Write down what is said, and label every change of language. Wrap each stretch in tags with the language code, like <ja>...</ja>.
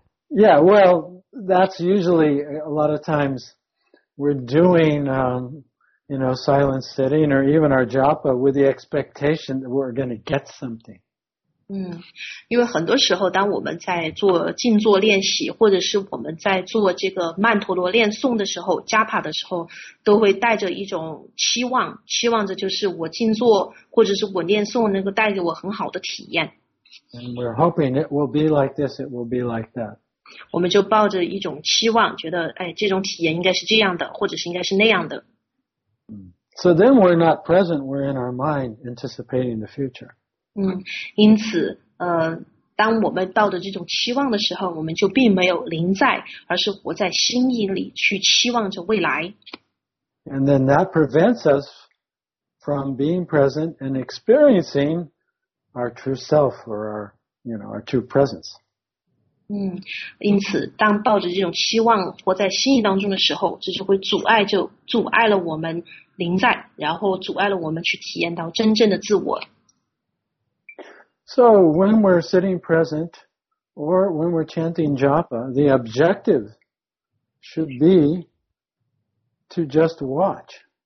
<en>Yeah, well, that's usually a lot of times we're doing, silent sitting or even our japa with the expectation that we're going to get something.</en> <zh>因为很多时候当我们在做静坐练习或者是我们在做这个曼陀罗念诵的时候 Japa 的时候都会带着一种期望，期望着就是我静坐或者是我念诵能够带给我很好的体验。</zh> <en>And we're hoping it will be like this, it will be like that.</en> <zh>我们就抱着一种期望，觉得哎，这种体验应该是这样的，或者是应该是那样的。</zh> <en>So then we're not present, we're in our mind anticipating the future.</en> <zh>因此当我们抱着这种期望的时候，我们就并没有临在，而是活在心意里去期望着未来。</zh> <en>And then that prevents us from being present and experiencing our true self or our, you know, our true presence.</en> <zh>因此当抱着这种期望活在心意当中的时候，这就会阻碍了我们临在，然后阻碍了我们去体验到真正的自我。</zh> <en>So when we're sitting present or when we're chanting japa, the objective should be to just watch.</en>